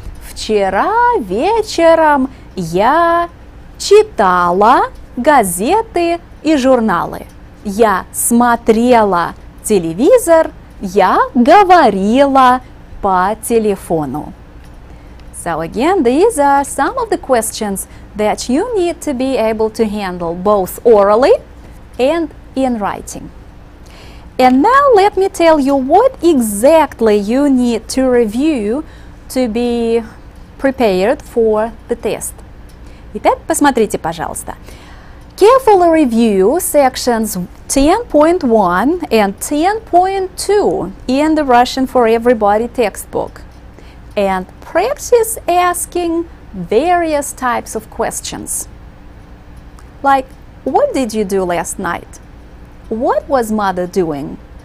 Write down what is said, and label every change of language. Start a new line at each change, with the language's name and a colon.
Russian: Вчера вечером я читала газеты и журналы. Я смотрела телевизор, я говорила по телефону.
English: So again, these are some of the questions that you need to be able to handle both orally and in writing. And now let me tell you what exactly you need to review to be prepared for the test.
Russian: Итак, посмотрите, пожалуйста.
English: Carefully review sections 10.1 and 10.2 in the Russian for Everybody textbook. And practice asking various types of questions. Like, what did you do last night? What was mother doing?